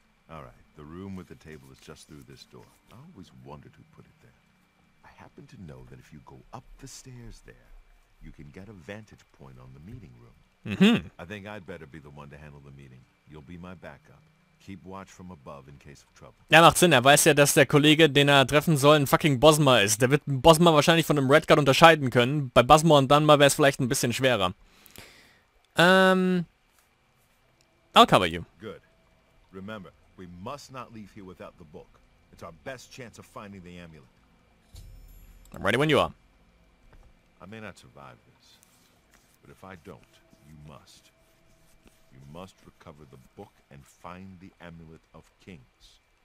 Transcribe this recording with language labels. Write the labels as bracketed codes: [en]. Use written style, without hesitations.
[en] Alright, the room with the table is just through this door. I always wondered who put it there. I happen to know that if you go up the stairs there, you can get a vantage point on the meeting room. Mhm. I think I'd better be the one to handle the meeting. You'll be my backup. Keep watch from above in case of trouble. [de] Ja, macht Sinn. Er weiß ja, dass der Kollege, den er treffen soll, ein fucking Bosma ist. Der wird Bosma wahrscheinlich von einem Red Guard unterscheiden können. Bei Bosma und Danma wäre es vielleicht ein bisschen schwerer. [en] I'll cover you. Good. Remember, we must not leave here without the book. It's our best chance of finding the amulet. I'm ready when you are. I may not survive this, but if I don't, you must. You must recover the book and find the Amulet of Kings.